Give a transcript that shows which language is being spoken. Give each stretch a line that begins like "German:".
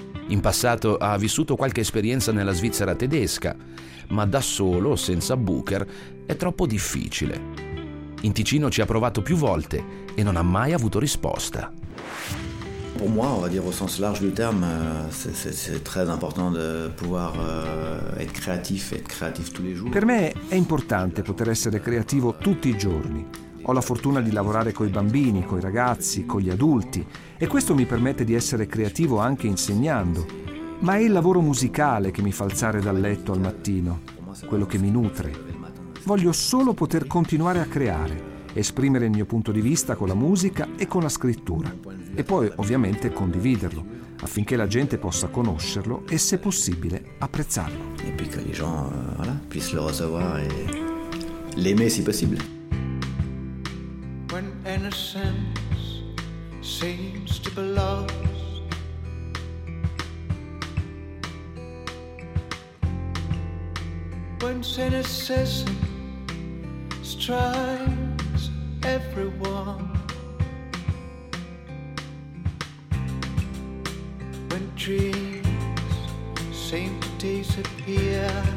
Italian: In passato ha vissuto qualche esperienza nella Svizzera tedesca, ma da solo, senza Booker, è troppo difficile. In Ticino ci ha provato più volte e non ha mai avuto risposta.
French: Pour moi, on va dire au sens large du terme, c'est très important de pouvoir être créatif tous les jours.
Italian: Per me è importante poter essere creativo tutti i giorni. Ho la fortuna di lavorare coi bambini, coi ragazzi, con gli adulti e questo mi permette di essere creativo anche insegnando. Ma è il lavoro musicale che mi fa alzare dal letto al mattino, quello che mi nutre. Voglio solo poter continuare a creare, esprimere il mio punto di vista con la musica e con la scrittura. E poi, ovviamente, condividerlo, affinché la gente possa conoscerlo e, se possibile, apprezzarlo. E poi che
French: le gens, voilà, puissent le recevoir et l'aimer si possible.
English: When innocence seems to be lost, when cynicism strikes everyone, when dreams seem to disappear,